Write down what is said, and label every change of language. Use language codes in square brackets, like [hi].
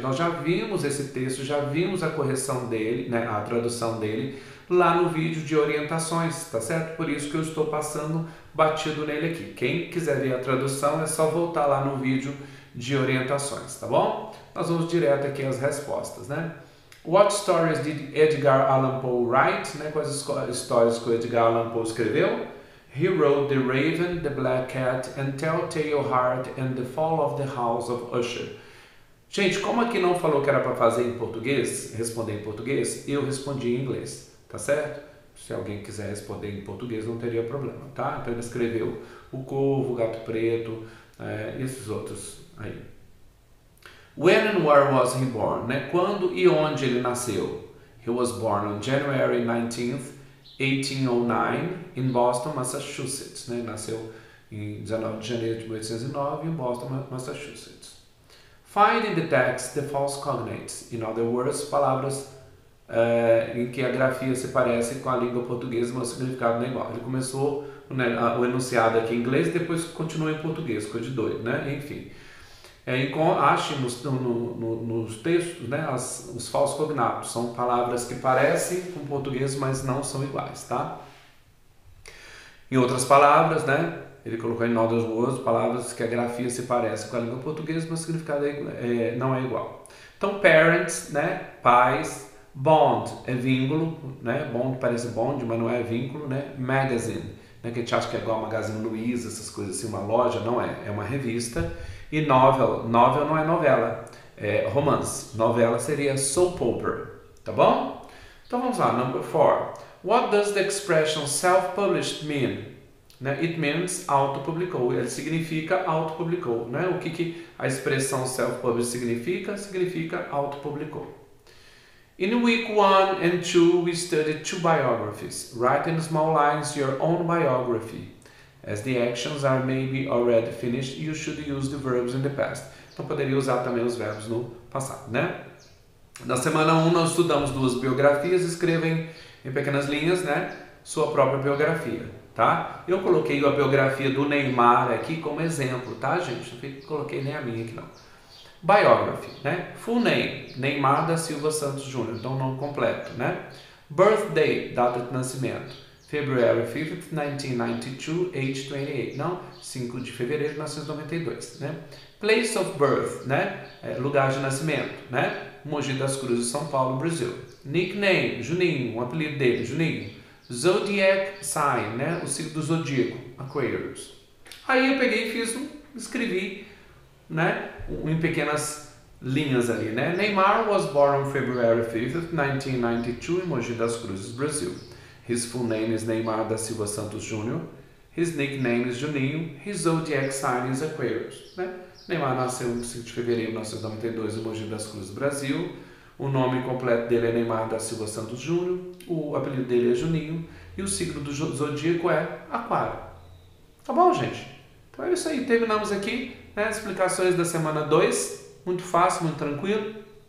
[pt] Nós já vimos esse texto, já vimos a correção dele, né, a tradução dele lá no vídeo de orientações, tá certo? Por isso que eu estou passando batido nele aqui. Quem quiser ver a tradução, é só voltar lá no vídeo de orientações, tá bom? Nós vamos direto aqui às respostas, né? [en] What stories did Edgar Allan Poe write? [pt] Né? Quais histórias que o Edgar Allan Poe escreveu? [en] He wrote The Raven, The Black Cat, and Telltale Heart, and The Fall of the House of Usher. [pt] Gente, como aqui não falou que era para fazer em português, responder em português, eu respondi em inglês, tá certo? Se alguém quiser responder em português, não teria problema, tá? Então ele escreveu O Corvo, O Gato Preto, esses outros aí. [en] When and where was he born? [pt] Né? Quando e onde ele nasceu? [en] He was born on January 19th, 1809, in Boston, Massachusetts. [pt] Né? Nasceu em 19 de janeiro de 1809 em Boston, Massachusetts. [en] Find in the text the false cognates. In other words, [pt] palavras em que a grafia se parece com a língua portuguesa, mas o significado não é igual. Ele começou, né, o enunciado aqui em inglês e depois continua em português, coisa de doido, né? Enfim. Ache nos textos, né, os falsos cognatos. São palavras que parecem com português, mas não são iguais, tá? Em outras palavras, né, ele colocou em outras palavras que a grafia se parece com a língua portuguesa, mas o significado não é igual. Então, parents, né, pais, bond é vínculo, né, bond parece bond, mas não é vínculo, né, magazine, né, que a gente acha que é igual a Magazine Luiza, essas coisas assim, uma loja, não é uma revista. E novel, novel não é novela, é romance. Novela seria [en] soap opera, [pt] tá bom? Então vamos lá, [en] number four. What does the expression self-published mean? [pt] Né? [en] It means [pt] auto-publicou, ele significa auto-publicou, né? O que a expressão self-published significa? Significa auto-publicou. [en] In week one and two, we studied two biographies. Write in small lines your own biography. As the actions are maybe already finished, you should use the verbs in the past. [pt] Então, poderia usar também os verbos no passado, né? Na semana 1, nós estudamos duas biografias. Escrevem em pequenas linhas, né? Sua própria biografia, tá? Eu coloquei a biografia do Neymar aqui como exemplo, tá, gente? Não coloquei nem a minha aqui, não. [en] Biography, né? Full name, Neymar da Silva Santos Júnior. [pt] Então, nome completo, né? [en] Birthday, [pt] data de nascimento. [en] February 5th, 1992, age 28. [pt] Não, 5 de fevereiro de 1992, né? [en] Place of birth, [pt] né? Lugar de nascimento, né? Mogi das Cruzes, São Paulo, Brasil. Nickname, Juninho, o apelido dele, Juninho. [en] Zodiac sign, [pt] né? O signo do zodíaco, Aquarius. Aí eu peguei e escrevi, né, em pequenas linhas ali, né? [en] Neymar was born on February 5th, 1992, em Mogi das Cruzes, Brasil. His full name is Neymar da Silva Santos Júnior. His nickname is Juninho. His zodiac sign is Aquarius. [pt] Né? Neymar nasceu em 5 de fevereiro de 1992 em Mogi das Cruzes, Brasil. O nome completo dele é Neymar da Silva Santos Júnior. O apelido dele é Juninho. E o signo do zodíaco é Aquário. Tá bom, gente? Então é isso aí. Terminamos aqui, né, as explicações da semana 2. Muito fácil, muito tranquilo.